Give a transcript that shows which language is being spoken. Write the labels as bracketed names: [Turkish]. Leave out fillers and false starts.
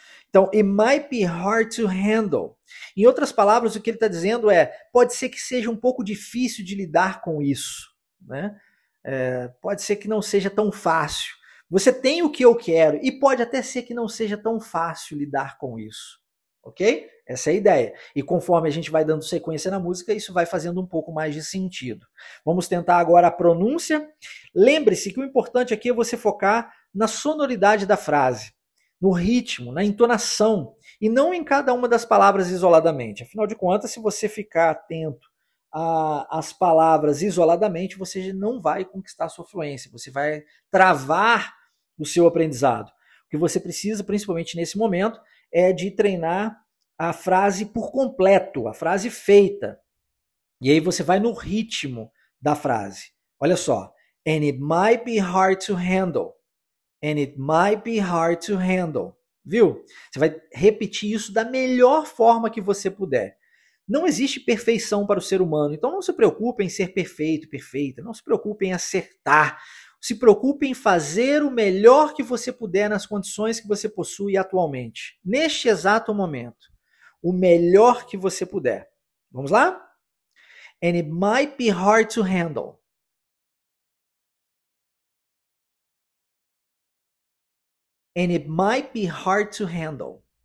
[English] Então, it might be hard to handle. [Portuguese] Em outras palavras, o que ele está dizendo é: pode ser que seja um pouco difícil de lidar com isso, né? Pode ser que não seja tão fácil. Você tem o que eu quero, e pode até ser que não seja tão fácil lidar com isso. Ok? Essa é a ideia. E conforme a gente vai dando sequência na música, isso vai fazendo um pouco mais de sentido. Vamos tentar agora a pronúncia. Lembre-se que o importante aqui é você focar na sonoridade da frase. No ritmo, na entonação, e não em cada uma das palavras isoladamente. Afinal de contas, se você ficar atento às palavras isoladamente, você não vai conquistar a sua fluência, você vai travar o seu aprendizado. O que você precisa, principalmente nesse momento, é de treinar a frase por completo, a frase feita. E aí você vai no ritmo da frase. Olha só. [English] And it might be hard to handle. And it might be hard to handle. [Portuguese] Viu? Você vai repetir isso da melhor forma que você puder. Não existe perfeição para o ser humano, então não se preocupe em ser perfeito, perfeita. Não se preocupe em acertar. Se preocupe em fazer o melhor que você puder nas condições que você possui atualmente, neste exato momento. O melhor que você puder. Vamos lá? [English] And it might be hard to handle. And it might be hard to handle.